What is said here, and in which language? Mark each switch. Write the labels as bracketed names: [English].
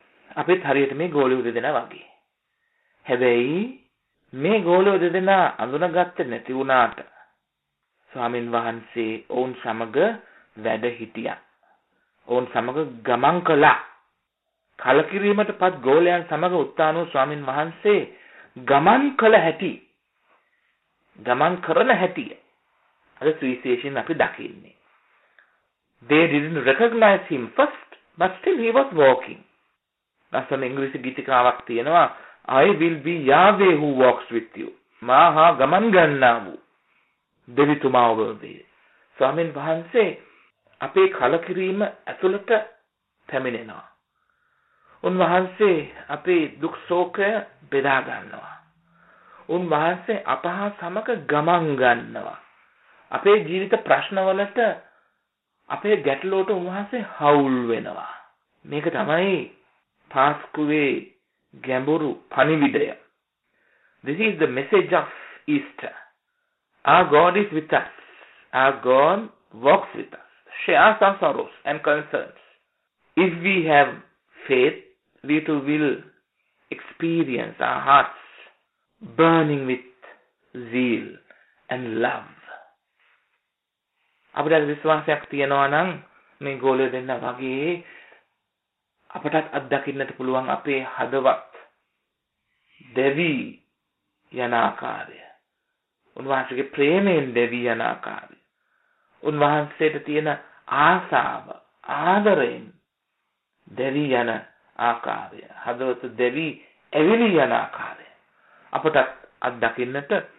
[Sinhala] අපිත් හරියට මේ ගෝලියෝ දෙදෙනා වගේ. හැබැයි මේ ගෝලියෝ දෙදෙනා අඳුනගත්තේ නැති වුණාට ස්වාමින් වහන්සේ ඔවුන් සමග වැඩ හිටියා, ඔවුන් සමග ගමන් කළා. කලකිරීමට පත් ගෝලයන් සමග උත්තාන වූ ස්වාමින් වහන්සේ ගමන් කළ හැටි, ගමන් කරන හැටිය අද සුවිශේෂයෙන් අපි දකින්නේ. [English] They didn't recognize him first, but still he was walking. [Sinhala] ලස්සන ඉංග්‍රීසි ගීතිකාවක් තියෙනවා, [English] I will be Yahweh who walks with you. [Sinhala] මාහා ගමන් ගන්නා වූ දෙවිතුමා ඔබේ. ස්වාමීන් වහන්සේ අපේ කලකිරීම ඇතුළට පැමිණෙනවා. උන්වහන්සේ අපේ දුක් ශෝකය බෙදා ගන්නවා. උන්වහන්සේ අපහා සමග ගමන් ගන්නවා. අපේ ජීවිත ප්‍රශ්නවලට, අපේ ගැටලුවට උන්වහන්සේ හවුල් වෙනවා. මේක තමයි පාස්කුවේ ගැඹුරු පණිවිඩය. [English] This is the message of Easter. Our God is with us. Our God walks with us, shares our sorrows and concerns. If we have faith, we too will experience our hearts burning with zeal and love. [Sinhala] අපිට විශ්වාසයක් තියෙනවා නම් මේ ගෝලිය දෙන්න වගේ අපටත් අත්දකින්නට පුළුවන් අපේ හදවත් දෙවි යන ආකාරය, උන්වහන්සේගේ ප්‍රේමයෙන් දෙවි යන ආකාරය, උන්වහන්සේට තියෙන ආසාව ආදරයෙන් දෙවි යන ආකාරය, හදවත දෙවි ඇවිලි යන ආකාරය අපට අත් දකින්නට